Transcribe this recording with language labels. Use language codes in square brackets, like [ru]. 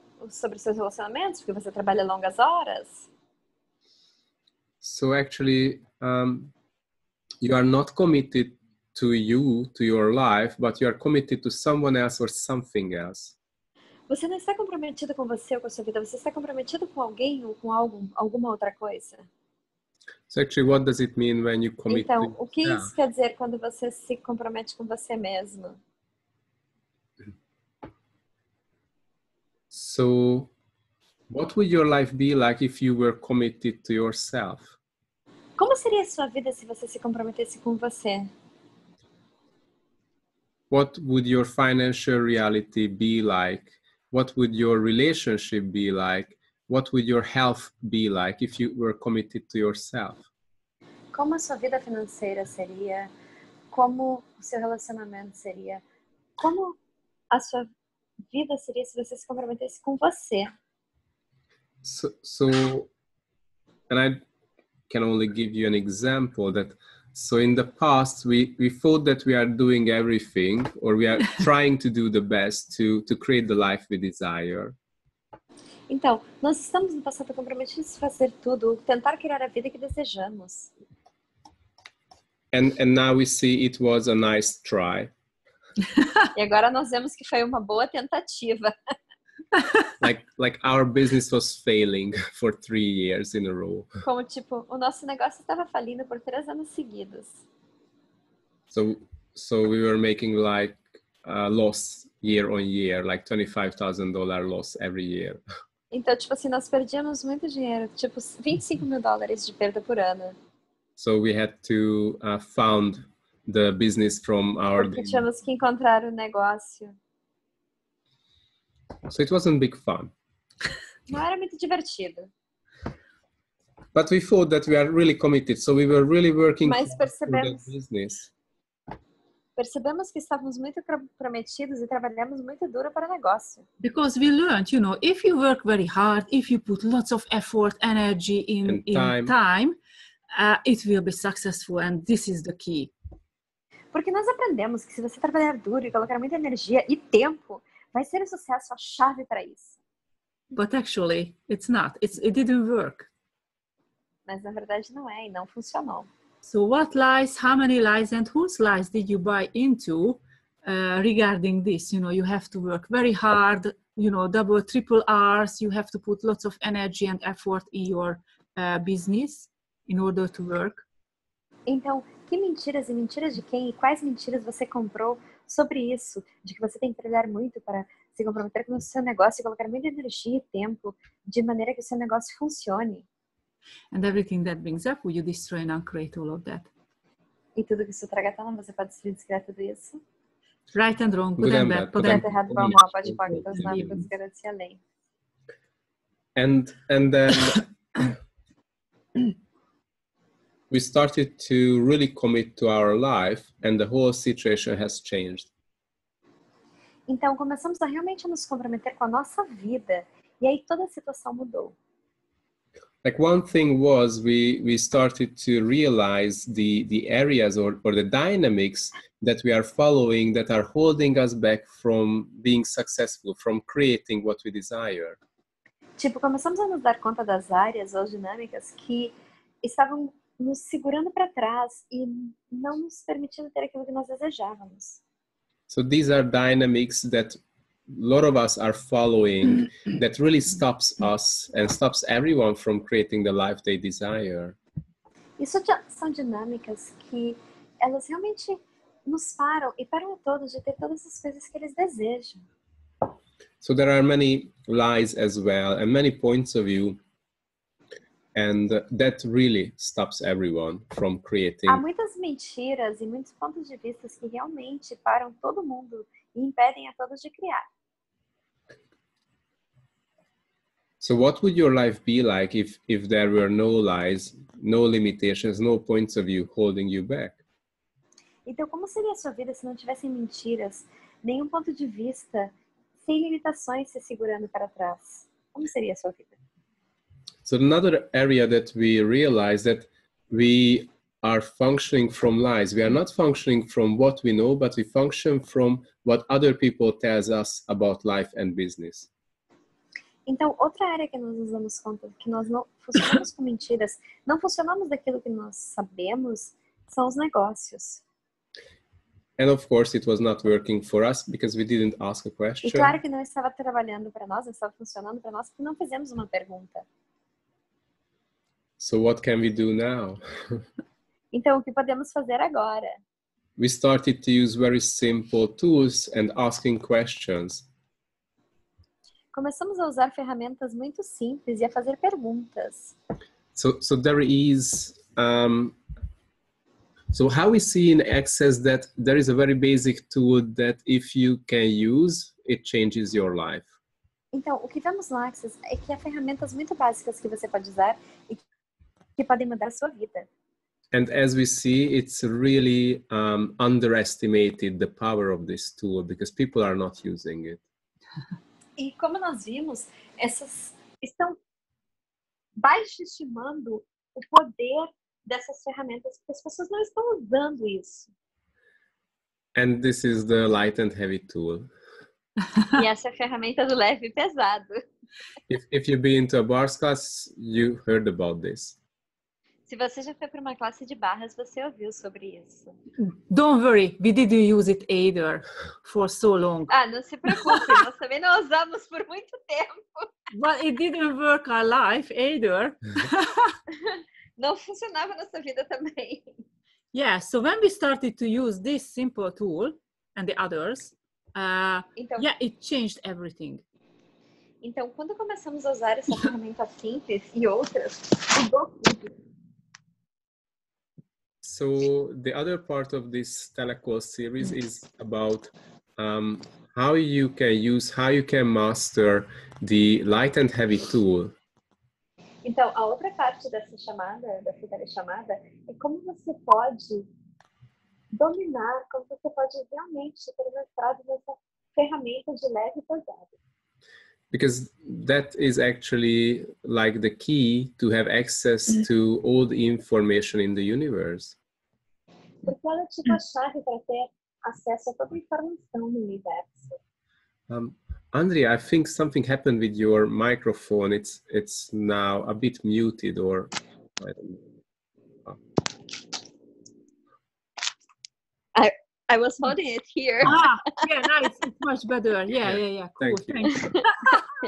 [pt] Sobre seus relacionamentos, porque você trabalha longas horas. [en] So actually, you are not committed to you, to your life, but you are committed to someone else or something else. [pt] Você não está comprometido com você ou com a sua vida, você está comprometido com alguém ou com alguma outra coisa. [en] So actually, what does it mean when you commit to yourself? [pt] Então, o que isso quer dizer quando você se compromete com você mesmo? [en] So, what would your life be like if you were committed to yourself? [pt] Como seria a sua vida se você se comprometesse com você? [en] What would your financial reality be like? What would your relationship be like? What would your health be like if you were committed to yourself? [pt] Como a sua vida financeira seria? Como o seu relacionamento seria? Como a sua vida seria se você se comprometesse com você? [en] So And I can only give you an example that, so in the past, we thought that we are doing everything, or we are trying to do the best to create the life we desire. [pt] Então, nós estamos no passado comprometidos a fazer tudo, tentar criar a vida que desejamos. [en] And now we see it was a nice try. [pt] E agora nós vemos que foi uma boa tentativa. [en] Like our business was failing for 3 years in a row. [pt] Como tipo, o nosso negócio estava falindo por 3 anos seguidos. [en] So we were making like a loss year on year, like $25,000 loss every year. [pt] Então, tipo assim, nós perdíamos muito dinheiro, tipo $25,000 de perda por ano. [en] So we had to found the business from our dream. [pt] Porque tínhamos que encontrar o negócio. [en] So it wasn't big fun. [pt] Não era muito divertido. [en] But we thought that we are really committed, so we were really working for the business. [pt] Percebemos que estávamos muito comprometidos e trabalhamos muito duro para o negócio. [en] Because we learned, you know, if you work very hard, if you put lots of effort, energy in time, it will be successful, and this is the key. [pt] Porque nós aprendemos que se você trabalhar duro e colocar muita energia e tempo, vai ser o sucesso a chave para isso. [en] But actually, it's not. It didn't work. [pt] Mas na verdade não é e não funcionou. [en] So what lies, how many lies, and whose lies did you buy into regarding this? You know, you have to work very hard, you know, double, triple R's. You have to put lots of energy and effort in your business in order to work. [pt] Então, que mentiras e mentiras de quem e quais mentiras você comprou sobre isso? De que você tem que trabalhar muito para se comprometer com o seu negócio e colocar muita energia e tempo de maneira que o seu negócio funcione. [en] And everything that brings up, will you destroy and uncreate all of that? [pt] E tudo que isso traga tão, você pode destruir e descrever tudo isso? [en] Right and wrong, good and bad. [pt] Poder ter errado, bom, mal, pode pôr, então os nomes que eu tinha além. [en] And then we started to really commit to our life and the whole situation has changed. [pt] Então começamos a realmente nos comprometer com a nossa vida e aí toda a situação mudou. [en] Like one thing was we started to realize the areas or the dynamics that we are following that are holding us back from being successful, from creating what we desire. [pt] Tipo, começamos a nos dar conta das áreas ou dinâmicas que estavam nos segurando para trás e não nos permitindo ter aquilo que nós desejávamos. [en] So these are dynamics that a lot of us are following that really stops us and stops everyone from creating the life they desire. [pt] Isso já são dinâmicas que elas realmente nos param e param a todos de ter todas as coisas que eles desejam. [en] So there are many lies as well and many points of view, and that really stops everyone from creating. [pt] Há muitas mentiras e muitos pontos de vista que realmente param todo mundo e impedem a todos de criar. [en] So what would your life be like if there were no lies, no limitations, no points of view holding you back? [pt] Então, como seria a sua vida se não tivessem mentiras, nenhum ponto de vista, sem limitações se segurando para trás? Como seria a sua vida? [en] So another area that we realize that we are functioning from lies. We are not functioning from what we know, but we function from what other people tell us about life and business. [pt] Então, outra área que nós nos damos conta que nós não funcionamos com mentiras, não funcionamos daquilo que nós sabemos, são os negócios. [en] And of course, it was not working for us because we didn't ask a question. [pt] E claro que não estava trabalhando para nós, não estava funcionando para nós porque não fizemos uma pergunta. [en] So what can we do now? [pt] Então, o que podemos fazer agora? [en] We started to use very simple tools and asking questions. [pt] Começamos a usar ferramentas muito simples e a fazer perguntas. [en] So there is, so how we see in Access that there is a very basic tool that if you can use, it changes your life. [pt] Então, o que vemos no Access é que há ferramentas muito básicas que você pode usar e que podem mudar a sua vida. [en] And as we see, it's really underestimated the power of this tool because people are not using it. [pt] E como nós vimos, essas estão baixo estimando o poder dessas ferramentas, porque as pessoas não estão usando isso. [en] And this is the light and heavy tool. [pt] E essa é a ferramenta do leve e pesado. [en] If you've been to a bars class, you heard about this. [pt] Se você já foi para uma classe de barras, você ouviu sobre isso. [en] Don't worry, we didn't use it either for so long. [pt] Ah, não se preocupe, nós também não usamos por muito tempo. [en] But it didn't work our life either. [pt] Não funcionava nossa vida também. [en] Yeah, so when we started to use this simple tool and the others, [pt] então, [en] yeah, it changed everything. [pt] Então, quando começamos a usar essa ferramenta simples e outras, mudou tudo. [en] So the other part of this telecall series is about how you can master the light and heavy tool. [pt] Então, a outra parte dessa telechamada, é como você pode dominar, como você pode realmente ter mestrado nessa ferramenta de leve e pesado. [en] Because that is actually like the key to have access to all the information in the universe. [pt] Porque ela é tipo a chave para ter acesso a toda a informação no universo. [en] Andrea, I think something happened with your microphone. It's now a bit muted, or I don't know. Oh. I was holding it here. Ah, yeah, nice. It's much better. Yeah. Cool.